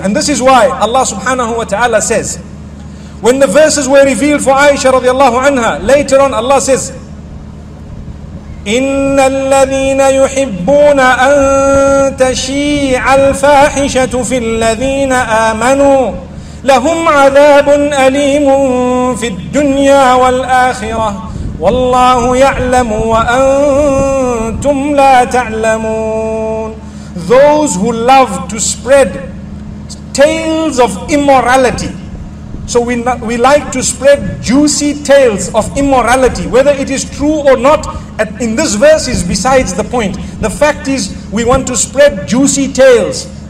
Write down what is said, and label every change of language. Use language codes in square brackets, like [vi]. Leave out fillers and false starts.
[en] And this is why Allah subhanahu wa ta'ala says, when the verses were revealed for Aisha radiallahu anha, later on Allah says, [ar] إِنَّ الَّذِينَ يُحِبُّونَ أَن تَشِيعَ الْفَاحِشَةُ فِي الَّذِينَ آمَنُوا لَهُمْ عَذَابٌ أَلِيمٌ فِي الدُّنْيَا وَالْآخِرَةِ والله يعلم وأنتم لا تعلمون. [en] Those who love to spread tales of immorality. So we like to spread juicy tales of immorality, whether it is true or not. In this verse is besides the point. The fact is, we want to spread juicy tales.